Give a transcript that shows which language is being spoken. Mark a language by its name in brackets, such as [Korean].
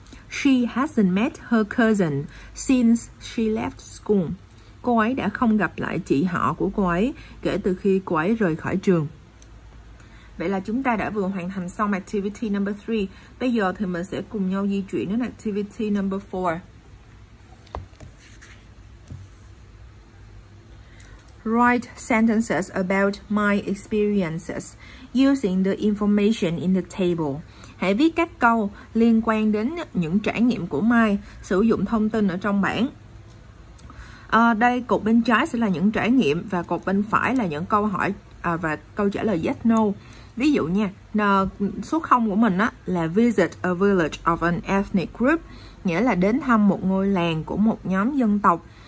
[English] She hasn't met her cousin since she left school. [Vietnamese] Cô ấy đã không gặp lại chị họ của cô ấy kể từ khi cô ấy rời khỏi trường. Vậy là chúng ta đã vừa hoàn thành xong [English] activity number 3. [Vietnamese] Bây giờ thì mình sẽ cùng nhau di chuyển đến [English] activity number 4. Write sentences about my experiences using the information in the table. [Vietnamese] Hãy viết các câu liên quan đến những trải nghiệm của Mai, sử dụng thông tin ở trong bảng. Đây, cột bên trái sẽ là những trải nghiệm và cột bên phải là những câu hỏi và câu trả lời yes, no. Ví dụ nha, số 0 của mình á, là [English] visit a village of an ethnic group, [Vietnamese] nghĩa là đến thăm một ngôi làng của một nhóm dân tộc.